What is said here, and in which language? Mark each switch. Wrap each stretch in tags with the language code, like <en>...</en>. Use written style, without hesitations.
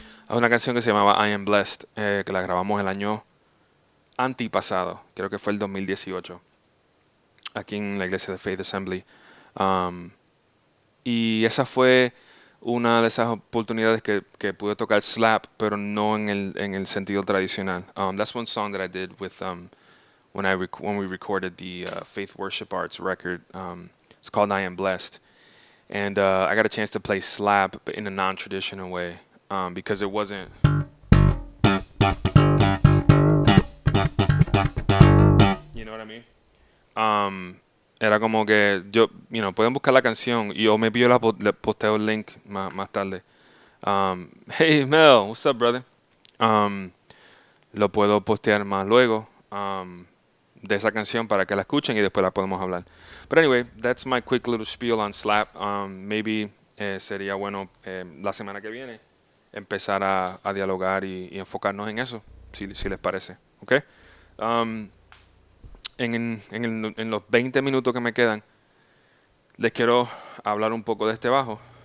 <es>Una canción que se llamaba I Am Blessed, que la grabamos el año antipasado, creo que fue el 2018, aquí en la iglesia de Faith Assembly. Y esa fue una de esas oportunidades que pude tocar slap, pero no en el sentido tradicional.</es> <en>That's one song that I did with when we recorded the Faith Worship Arts record. It's called I Am Blessed. And I got a chance to play slap but in a non-traditional way, because it wasn't. You know what I mean?</en> <es>Era como que yo, pueden buscar la canción y yo me pido la posteo el link más tarde.</es> <en>Hey Mel, what's up, brother?</en> <es>Lo puedo postear más luego, de esa canción para que la escuchen y después la podemos hablar.</es> <en>But anyway, that's my quick little spiel on slap.</en> <es>Maybe sería bueno la semana que viene empezar a dialogar y enfocarnos en eso, si les parece. Okay? En los 20 minutos que me quedan, les quiero hablar un poco de este bajo.</es>